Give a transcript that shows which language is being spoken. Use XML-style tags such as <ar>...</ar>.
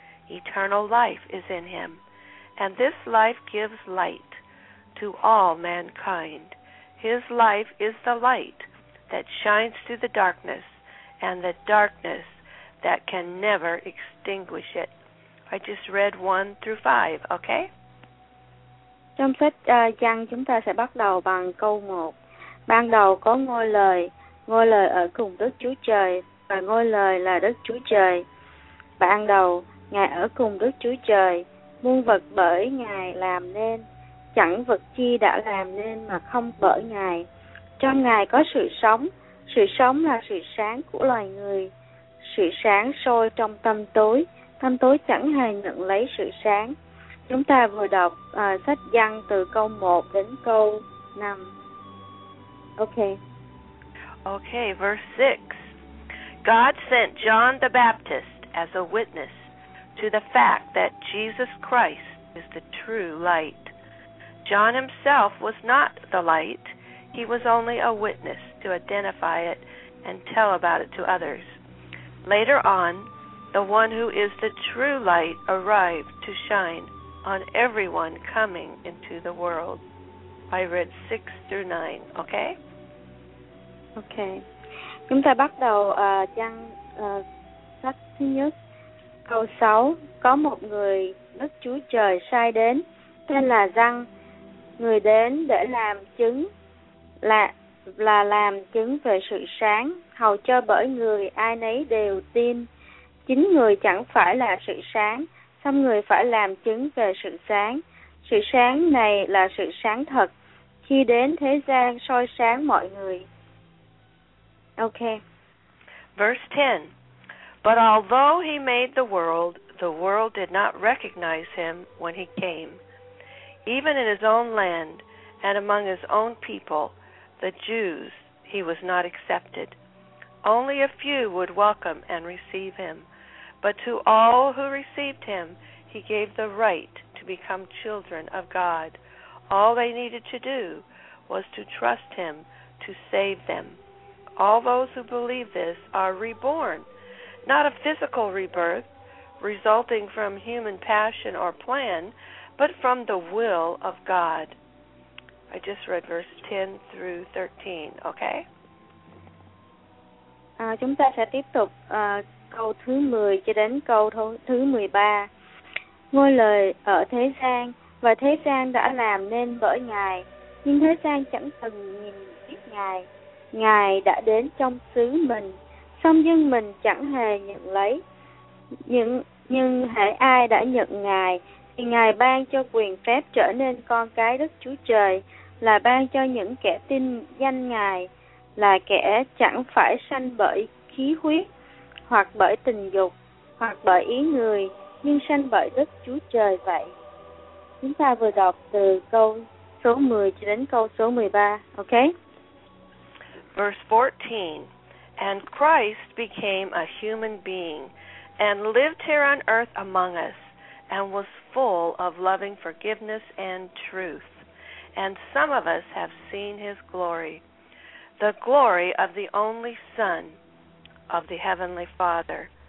<en>Eternal life is in him. And this life gives light to all mankind. His life is the light that shines through the darkness, and the darkness that can never extinguish it. I just read 1 through 5, okay?</en> <vi>Trong sách Giăng chúng ta sẽ bắt đầu bằng câu 1. Ban đầu có ngôi lời ở cùng Đức Chúa Trời, và ngôi lời là Đức Chúa Trời. Ban đầu, Ngài ở cùng Đức Chúa Trời, muôn vật bởi Ngài làm nên. Chẳng vật chi đã làm nên mà không bởi Ngài. Trong Ngài có sự sống là sự sáng của loài người. Sự sáng sôi trong tâm tối chẳng hề nhận lấy sự sáng. Chúng ta vừa đọc sách Giăng từ câu 1 đến câu 5.</vi> <en>Okay. Okay, verse 6. God sent John the Baptist as a witness to the fact that Jesus Christ is the true light. John himself was not the light. He was only a witness to identify it and tell about it to others. Later on, the one who is the true light arrived to shine on everyone coming into the world. I read 6 through 9, okay? Okay.</en> <vi>Chúng ta bắt đầu trang sách thứ nhất, câu 6. Có một người Đức Chúa Trời sai đến, tên là Giăng. Người đến để làm chứng là làm chứng về sự sáng, hầu cho bởi người ai nấy đều tin. Chính người chẳng phải là sự sáng, song người phải làm chứng về sự sáng. Sự sáng này là sự sáng thật, khi đến thế gian soi sáng mọi người.</vi> <en>Okay. Verse 10. But although he made the world did not recognize him when he came. Even in his own land and among his own people, the Jews, he was not accepted. Only a few would welcome and receive him. But to all who received him, he gave the right to become children of God. All they needed to do was to trust him to save them. All those who believe this are reborn, not a physical rebirth resulting from human passion or plan, but from the will of God. I just read verse 10 through 13, okay?</en> <vi>Chúng ta sẽ tiếp tục câu thứ 10 cho đến câu thứ 13. Ngôi lời ở thế gian và thế gian đã làm nên bởi Ngài, nhưng thế gian chẳng từng nhìn biết Ngài. Ngài đã đến trong xứ mình, song dân mình chẳng hề nhận lấy. Nhưng hễ ai đã nhận Ngài, thì Ngài ban cho quyền phép trở nên con cái Đức Chúa Trời, là ban cho những kẻ tin danh Ngài, là kẻ chẳng phải sanh bởi khí huyết, hoặc bởi tình dục, hoặc bởi ý người, nhưng sanh bởi Đức Chúa Trời vậy. Chúng ta vừa đọc từ câu số 10 cho đến câu số 13, ok?</vi> <en>Verse 14, and Christ became a human being and lived here on earth among us and was full of loving forgiveness and truth. And some of us have seen his glory, the glory of the only Son of the Heavenly Father.</en>